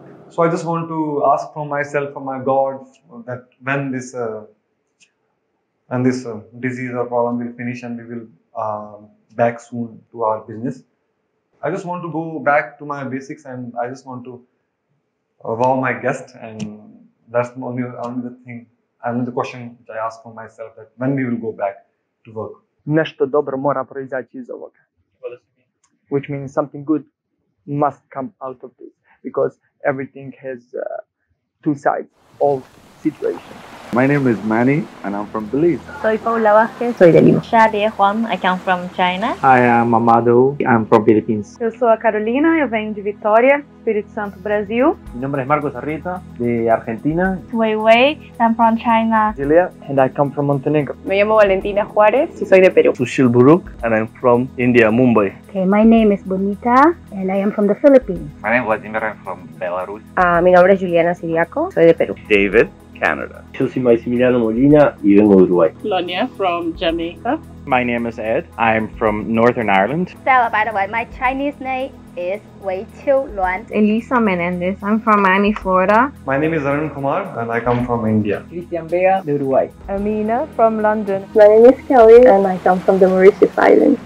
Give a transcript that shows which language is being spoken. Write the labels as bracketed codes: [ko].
[en] So I just want to ask for myself, for my God, that when this disease or problem will finish and we will back soon to our business. I just want to go back to my basics and I just want to wow my guest, and that's only the thing, only the question which I ask for myself, that when we will go back to work. [sr] Нечто добро мора произойти из этого. [en] Which means something good must come out of this, because everything has two sides of situation. My name is Manny and I'm from Belize. [es] Soy Paula Vázquez, soy de Lima. [en] Shade Juan, I come from China. I am Amado, I'm from Philippines. [pt] Eu sou a Carolina, eu venho de Vitória, Espírito Santo, Brasil. [es] Mi nombre es Marcos Arrieta, de Argentina. [en] Wei Wei, I'm from China. Julia, and I come from Montenegro. [es] Me llamo Valentina Juárez y soy de Perú. [en] Sushil Buruk, and I'm from India, Mumbai. Okay, my name is Bonita, and I am from the Philippines. My name is Vladimir, I'm from Belarus. [es] Mi nombre es Juliana Siriaco, soy de Perú. [en] David, Canada. [es] Yo soy Maximiliano Molina y vengo de Uruguay. [en] Lonia, from Jamaica. My name is Ed, I'm from Northern Ireland. Stella, by the way, my Chinese name is Wei Chiu Luan. Elisa Menendez, I'm from Miami, Florida. My name is Arun Kumar and I come from India. [es] Cristian Vega, de Uruguay. [en] Amina, from London. My name is Kelly and I come from the Mauritius Islands.